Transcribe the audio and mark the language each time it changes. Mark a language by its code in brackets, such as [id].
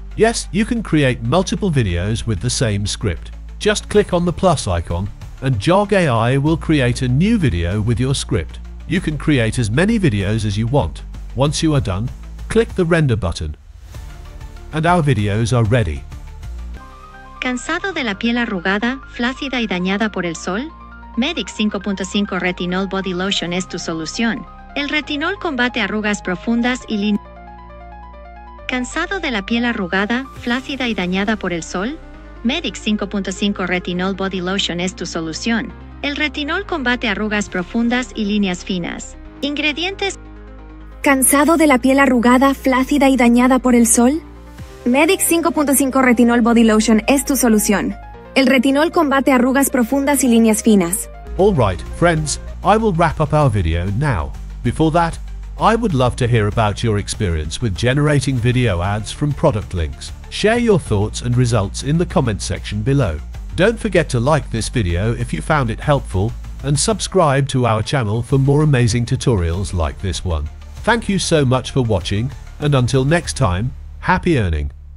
[en] Yes, you can create multiple videos with the same script. Just click on the plus icon, and Jogg AI will create a new video with your script. You can create as many videos as you want. Once you are done, click the render button, and our videos are ready. [es] ¿Cansado de la piel arrugada, flácida y dañada por el sol? Medic 5.5 Retinol Body Lotion es tu solución. El retinol combate arrugas profundas y líneas. ¿Cansado de la piel arrugada, flácida y dañada por el sol? Medic 5.5 Retinol Body Lotion es tu solución. El retinol combate arrugas profundas y líneas finas. Ingredientes. ¿Cansado de la piel arrugada, flácida y dañada por el sol? Medic 5.5 Retinol Body Lotion es tu solución. El retinol combate arrugas profundas y líneas finas. [en] All right, friends, I will wrap up our video now. Before that, I would love to hear about your experience with generating video ads from product links. Share your thoughts and results in the comment section below. Don't forget to like this video if you found it helpful, and subscribe to our channel for more amazing tutorials like this one. Thank you so much for watching, and until next time, happy earning!